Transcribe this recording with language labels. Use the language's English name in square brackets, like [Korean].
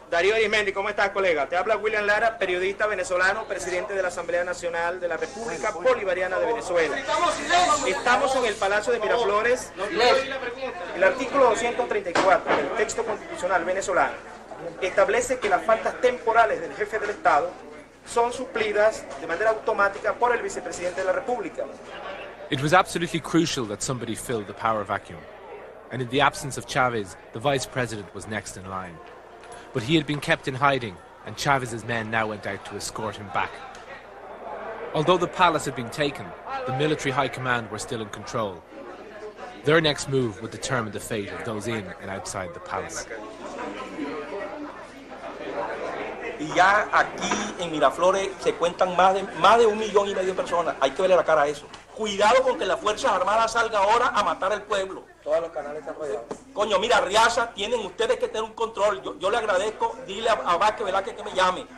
[Spanish] Darío Arismendi, ¿cómo estás, colega? Te habla William Lara, periodista venezolano, presidente de la Asamblea Nacional de la República Bolivariana de Venezuela. Estamos en el Palacio de Miraflores. El artículo 234 del texto constitucional venezolano establece que las faltas temporales del jefe del Estado son suplidas de manera automática por el vicepresidente de la República. [English] It was absolutely crucial that somebody filled the power vacuum. And in the absence of Chávez, the vice president was next in line. But he had been kept in hiding, and Chávez's men now went out to escort him back. Although the palace had been taken, the military high command were still in control. Their next move would determine the fate of those in and outside the palace. [Spanish] Y ya aquí en Miraflores se cuentan más de 1.5 million de personas. Hay que verle la cara a eso. Cuidado con que las Fuerzas Armadas salga ahora a matar al pueblo. Todos los canales están rodeados. Coño, mira, Riaza, tienen ustedes que tener un control. Yo le agradezco, dile a Vázquez Velázquez que me llame.